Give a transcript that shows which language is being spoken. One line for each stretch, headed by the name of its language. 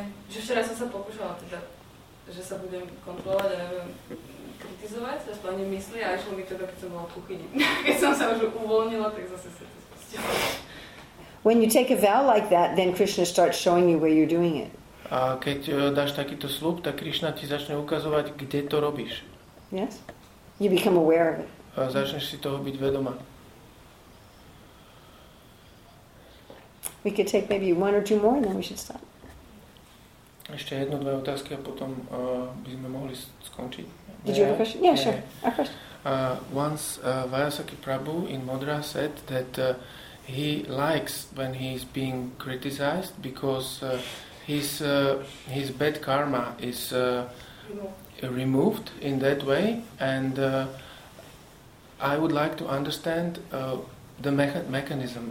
Slovak: Že včera som sa pokúšala teda, že sa budem kontrolovať a neviem kritizovať, sa spolne mysli a išlo mi to, keď som bola v kuchyni. Keď som sa už uvoľnila, tak zase sa to spustila.
English: When you take a vow like that, then Krishna starts showing you where you're doing it.
Slovak: A keď dáš takýto sľub, tak Krishna ti začne ukazovať, kde to robíš.
English: Yes. You become aware of it.
Slovak: A začneš si toho byť vedomá.
English: We could take maybe one or two more and then we should stop.
Slovak: Ešte jedno, dve otázky a potom by sme mohli skončiť.
English: Did you have a question? Yeah, sure. Question. Once Vyasaki Prabhu in Madras said that he likes when he's being criticized because his bad karma is removed in that way. And I would like to understand the mechanism.